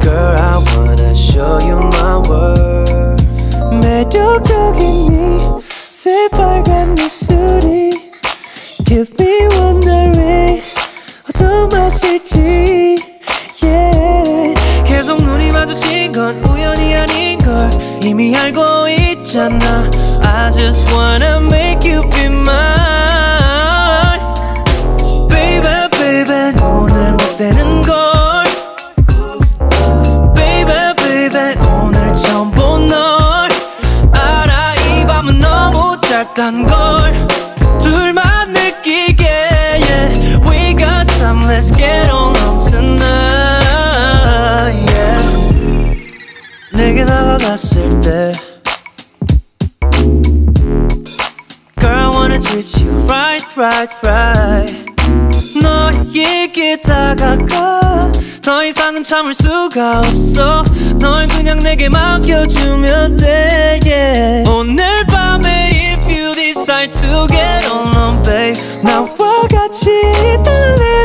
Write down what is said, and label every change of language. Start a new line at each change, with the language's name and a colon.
English: Girl, I wanna show you my world.
Korean: 매력적인 네 새빨간 입술이
English: Give me wondering
Korean: 어떤 맛일지, yeah. 계속 눈이 마주친 건 우연이 아닌걸 이미 알고 있잖아.
English: I just wanna make you be mine. Baby, baby,
Korean: 오늘 못 되는 걸.
English: Baby, baby,
Korean: 오늘 처음 본 널 알아. 이 밤은 너무 짧단 걸. 둘만 느끼게, yeah.
English: We got time, let's get on tonight.
Korean: 내게 다가갔을 때
English: Girl I wanna treat you right, right, right.
Korean: 너에게 다가가 더 이상은 참을 수가 없어. 널 그냥 내게 맡겨주면 돼, yeah. 오늘 밤에
English: if you decide to get alone, babe,
Korean: 나와 같이 있을래.